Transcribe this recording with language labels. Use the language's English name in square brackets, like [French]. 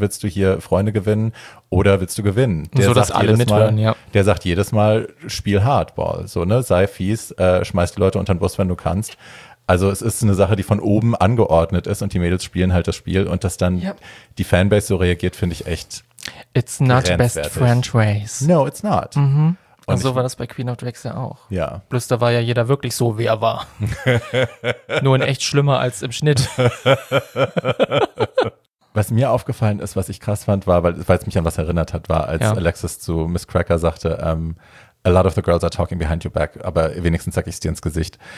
[German] Willst du hier Freunde gewinnen? Oder willst du gewinnen? Der so, dass alle mithören, ja. Der sagt jedes Mal, spiel Hardball. So, ne? Sei fies, schmeiß die Leute unter den Bus, wenn du kannst. Also es ist eine Sache, die von oben angeordnet ist und die Mädels spielen halt das Spiel und dass dann die Fanbase so reagiert, finde ich echt [English] It's not best French ways. No, it's not. [German] Und so war das bei Queen of Drags ja auch. Ja. Bloß da war ja jeder wirklich so, wie er war. Nur in echt schlimmer als im Schnitt. Was mir aufgefallen ist, was ich krass fand, war, weil es mich an was erinnert hat, war, als Alexis zu Miss Cracker sagte, [English] a lot of the girls are talking behind your back, [German] aber wenigstens sag ich es dir ins Gesicht.